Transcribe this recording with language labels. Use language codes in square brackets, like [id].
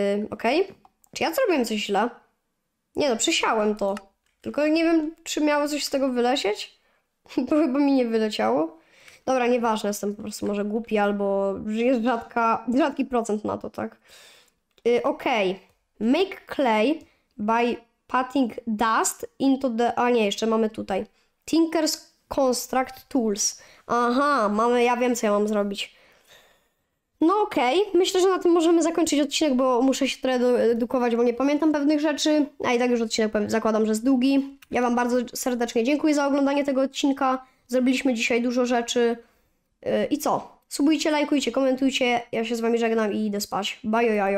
[pl] Okej. Okay. Czy ja zrobiłem coś źle? Nie no, przesiałem to. Tylko nie wiem, czy miało coś z tego wylecieć. Bo chyba mi nie wyleciało. Dobra, nieważne, jestem po prostu może głupi, albo jest rzadki procent na to, tak? Okej. Okay. [en] Make clay by patting dust into the... [pl] A nie, jeszcze mamy tutaj. [en] Tinker's Construct Tools. [pl] Aha, mamy... Ja wiem, co ja mam zrobić. No okej. Okay. Myślę, że na tym możemy zakończyć odcinek, bo muszę się trochę doedukować, bo nie pamiętam pewnych rzeczy. A i tak już odcinek zakładam, że jest długi. Ja wam bardzo serdecznie dziękuję za oglądanie tego odcinka. Zrobiliśmy dzisiaj dużo rzeczy. I co? Subujcie, lajkujcie, komentujcie. Ja się z wami żegnam i idę spać. Bajo, jajo.